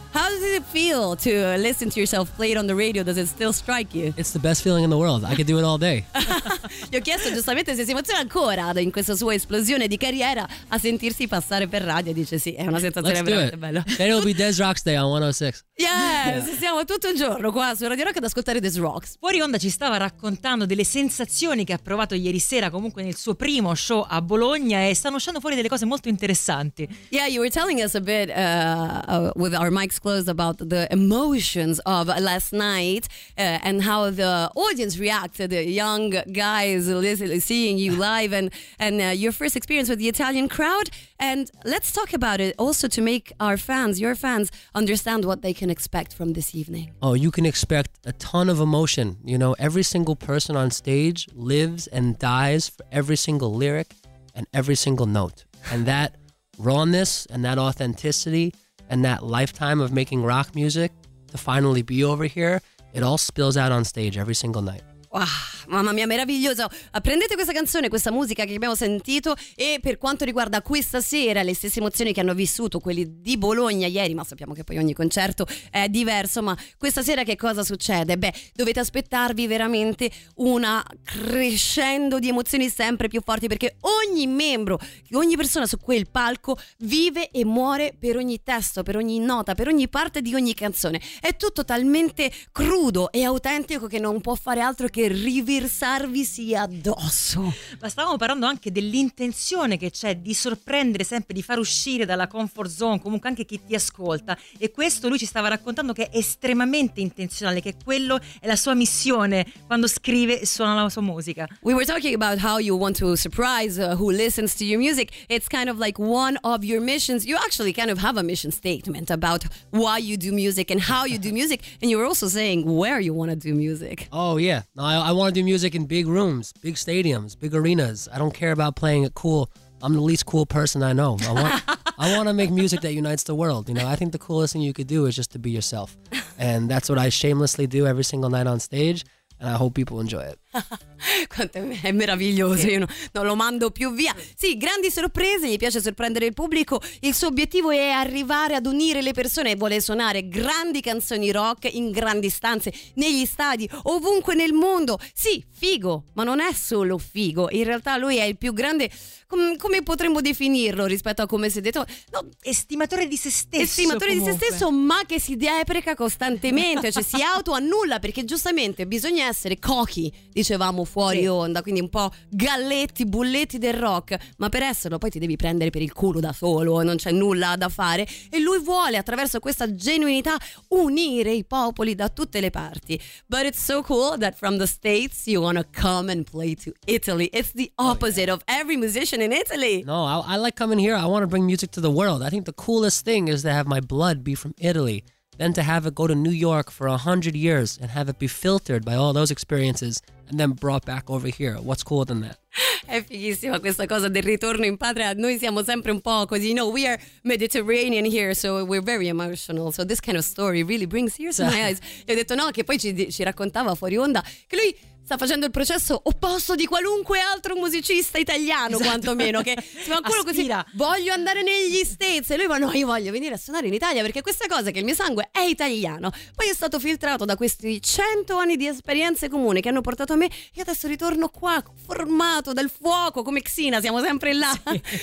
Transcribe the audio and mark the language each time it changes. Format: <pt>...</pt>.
<en>How does it feel to listen to yourself played on the radio? Does it still strike you? It's the best feeling in the world, I could do it all day.</en> <it>Gli ho chiesto giustamente se si emoziona ancora in questa sua esplosione di carriera a sentirsi passare per radio, dice sì, è una sensazione</it> <en>Let's</en> <it>veramente</it> <en>it.</en> <it>Bella.</it> <en>Then it'll be Death Rocks Day on 106. Yes, yeah.</en> <it>Siamo tutto il giorno qua su Radio Rock ad ascoltare Death Rocks. Fuori onda ci stava raccontando delle sensazioni che ha provato ieri sera comunque nel suo primo show a Bologna e stanno uscendo fuori delle cose molto interessanti.</it> <en>Yeah, you were telling us a bit with our mics disclose about the emotions of last night and how the audience reacted, the young guys seeing you live and your first experience with the Italian crowd. And let's talk about it also to make our fans, your fans, understand what they can expect from this evening. Oh, you can expect a ton of emotion. You know, every single person on stage lives and dies for every single lyric and every single note. And that rawness and that authenticity and that lifetime of making rock music to finally be over here, it all spills out on stage every single night.</en> <it>Wow, mamma mia, meraviglioso. Prendete questa canzone, questa musica che abbiamo sentito, e per quanto riguarda questa sera, le stesse emozioni che hanno vissuto quelli di Bologna ieri, ma sappiamo che poi ogni concerto è diverso, ma questa sera che cosa succede? Beh, dovete aspettarvi veramente una crescendo di emozioni sempre più forti, perché ogni membro, ogni persona su quel palco vive e muore per ogni testo, per ogni nota, per ogni parte di ogni canzone. È tutto talmente crudo e autentico che non può fare altro che riversarvisi addosso. Ma stavamo parlando anche dell'intenzione che c'è di sorprendere sempre, di far uscire dalla comfort zone comunque anche chi ti ascolta, e questo lui ci stava raccontando che è estremamente intenzionale, che quello è la sua missione quando scrive e suona la sua musica.</it> <en>We were talking about how you want to surprise who listens to your music. It's kind of like one of your missions. You actually kind of have a mission statement about why you do music and how you do music, and you were also saying where you want to do music. Oh yeah. I want to do music in big rooms, big stadiums, big arenas. I don't care about playing it cool. I'm the least cool person I know. I want to make music that unites the world. You know, I think the coolest thing you could do is just to be yourself. And that's what I shamelessly do every single night on stage. And I hope people enjoy it.</en> <it>Quanto è meraviglioso, sì. Io non lo mando più via. Sì, grandi sorprese, gli piace sorprendere il pubblico. Il suo obiettivo è arrivare ad unire le persone e vuole suonare grandi canzoni rock in grandi stanze, negli stadi, ovunque nel mondo. Sì, figo, ma non è solo figo. In realtà lui è il più grande, come potremmo definirlo rispetto a come si è detto? No, estimatore di se stesso. Estimatore comunque di se stesso, ma che si depreca costantemente, cioè si autoannulla, perché giustamente bisogna essere cocky, dicevamo fuori sì. onda, quindi un po' galletti, bulletti del rock, ma per esserlo poi ti devi prendere per il culo da solo, non c'è nulla da fare, e lui vuole attraverso questa genuinità unire i popoli da tutte le parti.</it> <en>But it's so cool that from the States you want to come and play to Italy. It's the opposite of every musician in Italy. No, I like coming here. I want to bring music to the world. I think the coolest thing is to have my blood be from Italy. Then to have it go to New York for 100 years and have it be filtered by all those experiences and then brought back over here. What's cooler than that?</en> <it>È fighissima questa cosa del ritorno in patria. Noi siamo sempre un po' così,</it> <en>you know, we are Mediterranean here, so we're very emotional. So this kind of story really brings tears to my eyes.</en> <it>E ho detto no, che poi ci raccontava fuori onda che lui sta facendo il processo opposto di qualunque altro musicista italiano, quantomeno, che siamo ancora così, voglio andare negli States, e lui va, no, io voglio venire a suonare in Italia, perché questa cosa, che il mio sangue è italiano, poi è stato filtrato da questi 100 anni di esperienze comuni che hanno portato a me, e adesso ritorno qua, formato dal fuoco, come Xena, siamo sempre là, sì.</it>